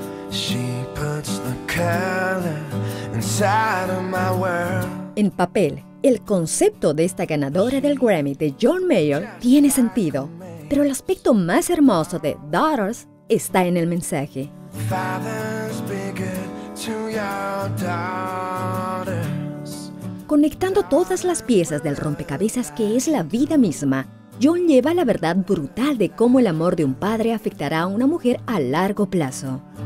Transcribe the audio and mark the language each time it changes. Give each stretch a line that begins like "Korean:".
English: She puts the color inside of my world.
Spanish: En papel, el concepto de esta ganadora del Grammy de John Mayer tiene sentido, pero el aspecto más hermoso de Daughters está en el mensaje.
English: Fathers be good to your daughters.
Spanish: Conectando todas las piezas del rompecabezas que es la vida misma, John lleva la verdad brutal de cómo el amor de un padre afectará a una mujer a largo plazo.